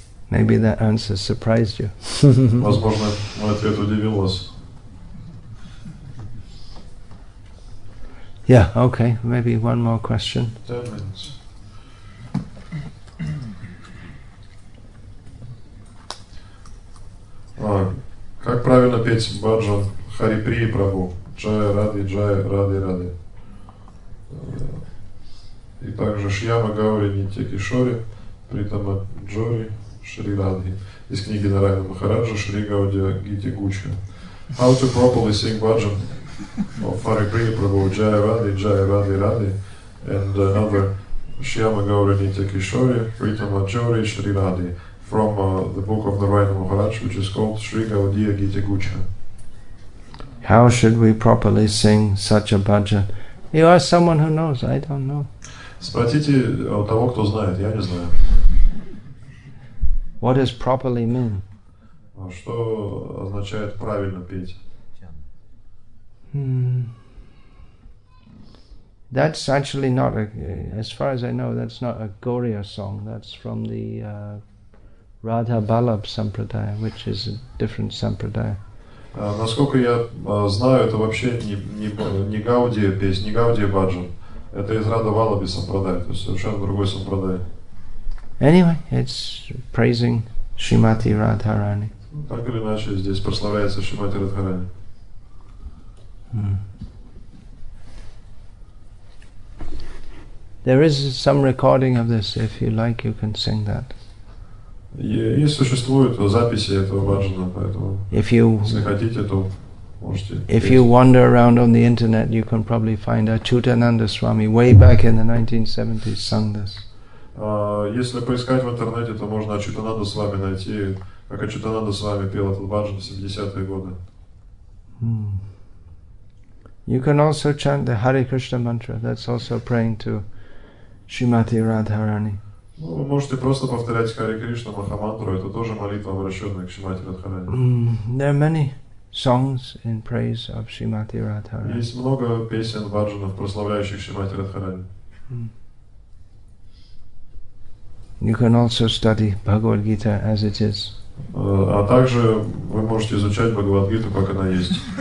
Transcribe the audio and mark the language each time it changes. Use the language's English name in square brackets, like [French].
[English] Maybe that answer surprised you. [Russian] Возможно, мой ответ удивил вас. [English] Yeah, okay, maybe one more question. 10 minutes. [Russian] Как правильно петь баджан Хари Прии Прабху? Джая, Ради, Ради. И также Шьяма Гаури Нитья Кишори, Притама Джори, Шри Радхи. Из книги Нарайана Махараджа, Шри Гаудия Гити Гучха. [English] How to properly sing баджан? Of Hare Priya Prabhu, Jaya Radhi, Jaya Radhi Radhi, and another Shyama Gauranita Kishori, Rita Manjari, Shri Radhi, from the book of Narayana Maharaj, which is called Shri Gaudiya Gita Gucha. How should we properly sing such a bhajan? You ask someone who knows, I don't know. [Russian] Спросите у того, кто знает, я не знаю. [English] What does properly mean? [Russian] Что означает правильно петь? [English] That's actually not a, as far as I know, that's not a Gauriya song. That's from the Radha Balab Sampradaya, which is a different Sampradaya. [Russian] Насколько я знаю, это вообще не Гаудия песня, не Гаудия Баджан. Это из Радха Валлабхи Сампрадая, то есть совершенно другой Сампрадай. [English] Anyway, it's praising Шримати Радхарани. [Russian] Так или иначе, здесь прославляется Шримати Радхарани. [English] There is some recording of this. If you like, you can sing that. [Russian] И существуют записи этого баджана, поэтому если хотите, то можете. [English] If you wander around on the internet, you can probably find Achyutananda Swami way back in the 1970s sung this. [Russian] Если поискать в интернете, то можно Ачютананда Свами найти, как Ачютананда Свами пел этот баджан в 70-е годы. [English] You can also chant the Hare Krishna mantra. That's also praying to Shrimati Radharani. [Russian] Ну, вы можете просто повторять Hare Krishna Махамантру, это тоже молитва, обращенная к Шримати Радхарани. [English] There are many songs in praise of Shrimati Radharani. [Russian] Есть много песен баджанов, прославляющих Шримати Радхарани. [English] You can also study Bhagavad Gita as it is. [Russian] А также вы можете изучать Бхагавад Гиту, как она есть.